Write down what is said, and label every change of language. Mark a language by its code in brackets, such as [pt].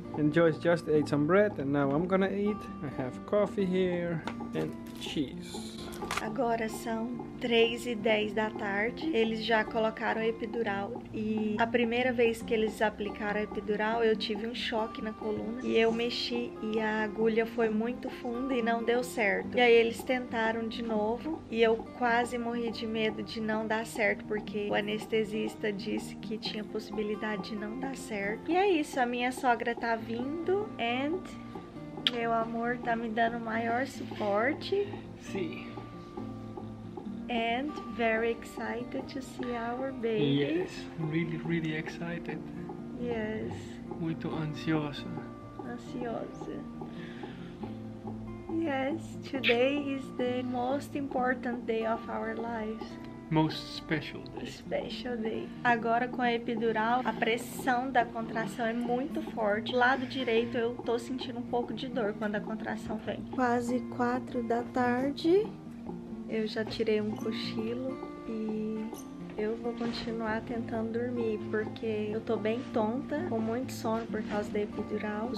[en] And Joyce just ate some bread and now I'm gonna eat. I have coffee here and cheese. [pt] Agora são 3:10 da tarde, eles já colocaram a epidural e a primeira vez que eles aplicaram a epidural eu tive um choque na coluna e eu mexi e a agulha foi muito funda e não deu certo. E aí eles tentaram de novo e eu quase morri de medo de não dar certo porque o anestesista disse que tinha possibilidade de não dar certo. E é isso, a minha sogra tá vindo and meu amor tá me dando maior suporte. Sim. [en] And very excited to see our baby. Yes, really, really excited. Yes. [pt] Muito ansiosa. Ansiosa. [en] Yes, today is the most important day of our lives. Most special day. Special day. [pt] Agora com a epidural, a pressão da contração é muito forte. Lado direito eu tô sentindo um pouco de dor quando a contração vem. Quase 4 da tarde. Eu já tirei um cochilo e eu vou continuar tentando dormir porque eu tô bem tonta, com muito sono por causa da epidural.